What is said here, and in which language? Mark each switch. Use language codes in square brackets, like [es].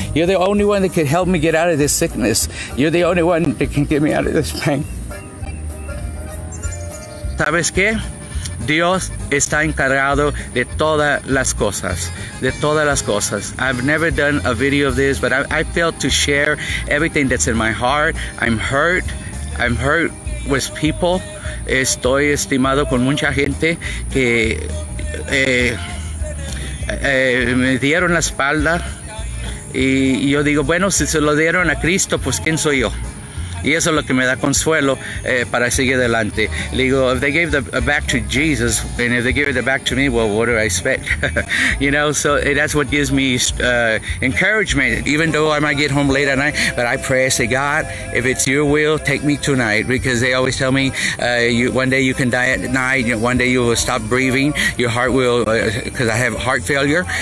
[en] You're the only one that can help me get out of this sickness. You're the only one that can get me out of this pain. [es] ¿Sabes qué? Dios está encargado de todas las cosas. De todas las cosas. [en] I've never done a video of this, but I failed to share everything that's in my heart. I'm hurt. I'm hurt with people. [es] Estoy estimado con mucha gente que me dieron la espalda y yo digo, bueno, si se lo dieron a Cristo, pues ¿quién soy yo? Y eso es lo que me da consuelo para seguir adelante. Le digo, [en] if they gave the back to Jesus, and if they give it back to me, well, what do I expect? You know, so that's what gives me encouragement. Even though I might get home late at night, but I pray, I say, God, if it's your will, take me tonight. Because they always tell me, one day you can die at night, one day you will stop breathing, your heart will, because I have heart failure.